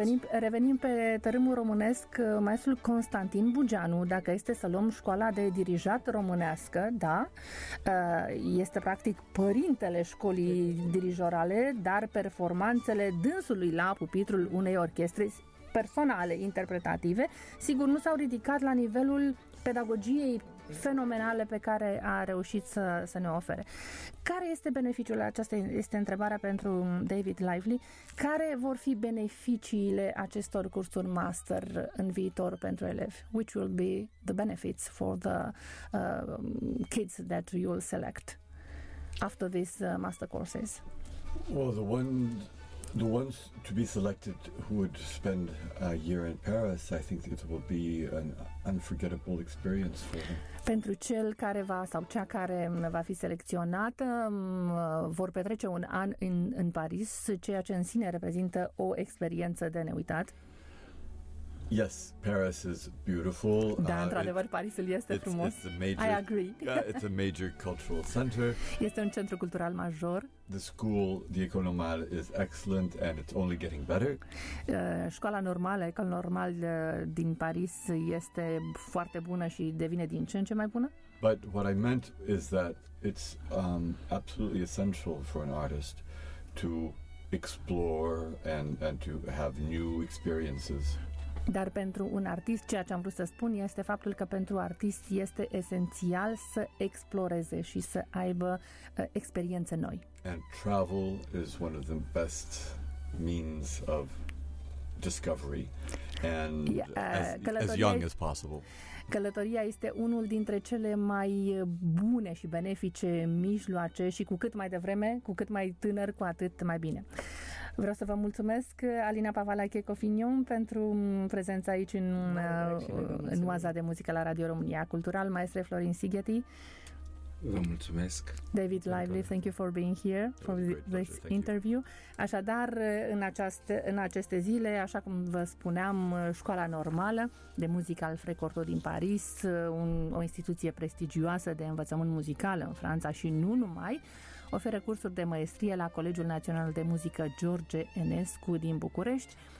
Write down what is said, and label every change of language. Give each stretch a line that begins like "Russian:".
Romanian: Revenim pe tărâmul românesc, maestrul Constantin Bugeanu, dacă este să luăm școala de dirijat românească, da, este practic părintele școlii dirijorale, dar performanțele dânsului la pupitrul unei orchestre personale interpretative, sigur, nu s-au ridicat la nivelul pedagogiei fenomenale pe care a reușit să ne ofere. Care este beneficiul? Aceasta este întrebarea pentru David Lively. Care vor fi beneficiile acestor cursuri master în viitor pentru elevi?
English: Which will be the benefits for the kids that you will select after these master courses? Well, the ones to be selected who would spend a year in Paris, I think it will be an unforgettable experience for them.
Romanian: Pentru cel care va sau cea care va fi selecționată, vor petrece un an în Paris, ceea ce în sine reprezintă o experiență de neuitat.
English: Yes, Paris is beautiful.
Romanian: Da, într-adevăr, Parisul este frumos.
English: It's a major cultural center.
Romanian: Este un centru cultural major.
English: The school, the Ecole Normale, is excellent and it's only getting better.
Romanian: Școala normală, Ecole Normale din Paris este foarte bună și devine din ce în ce mai bună.
English: But what I meant is that it's absolutely essential for an artist to explore and to have new experiences.
Romanian: Dar pentru un artist, ceea ce am vrut să spun este faptul că pentru artist este esențial să exploreze și să aibă experiențe noi.
English: And travel is one of the best means of discovery and as young as possible.
Romanian: Călătoria este unul dintre cele mai bune și benefice mijloace și cu cât mai devreme, cu cât mai tânăr, cu atât mai bine. Vreau să vă mulțumesc, Alina Pavalache-Cofignon, pentru prezența aici în Oaza de Muzică la Radio România Cultural, maestre Florin Sigheti. Vă mulțumesc.
English: David Lively, thank you for being here for this interview.
Romanian: Așadar, în aceste zile, așa cum vă spuneam, Școala Normală de Muzică Alfred Cortot din Paris, o instituție prestigioasă de învățământ muzical în Franța și nu numai, oferă cursuri de maestrie la Colegiul Național de Muzică George Enescu din București.